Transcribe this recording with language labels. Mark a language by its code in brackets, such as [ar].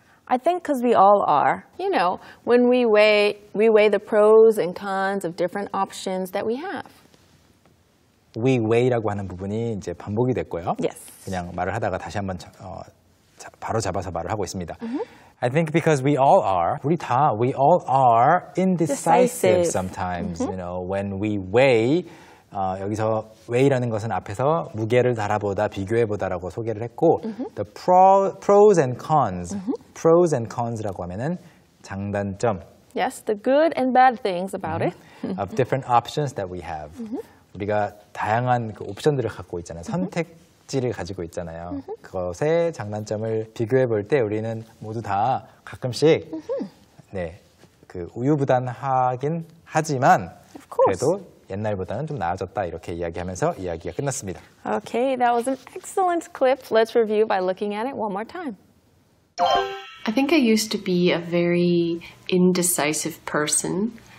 [en] I think because we all are, you know, when we weigh the pros and cons of different options that we have. [ko] We weigh라고 하는 부분이 이제 반복이 됐고요. [en] Yes. [ko] 그냥 말을 하다가 다시 한번 바로 잡아서 말을 하고 있습니다. Mm-hmm. [en] I think because we all are, [ko] 우리 다, [en] we all are indecisive sometimes, mm-hmm. you know, when we weigh. [ko] 여기서 weigh라는 것은 앞에서 무게를 달아보다, 비교해보다라고 소개를 했고 mm-hmm. [en] the pros and cons, mm-hmm. pros and cons라고 [ko] 하면은 장단점 [en] Yes, the good and bad things about mm-hmm. it of different options that we have mm-hmm. [ko] 우리가 다양한 그 옵션들을 갖고 있잖아요 mm-hmm. 선택지를 가지고 있잖아요 mm-hmm. 그것의 장단점을 비교해볼 때 우리는 모두 다 가끔씩 mm-hmm. 네, 그 우유부단하긴 하지만 [en] of course. [ko] 그래도 옛날보다는 좀 나아졌다 이렇게 이야기하면서 이야기가 끝났습니다. [en] Okay, that was an excellent clip. Let's review by looking at it one more time. I think I used to be a very indecisive person.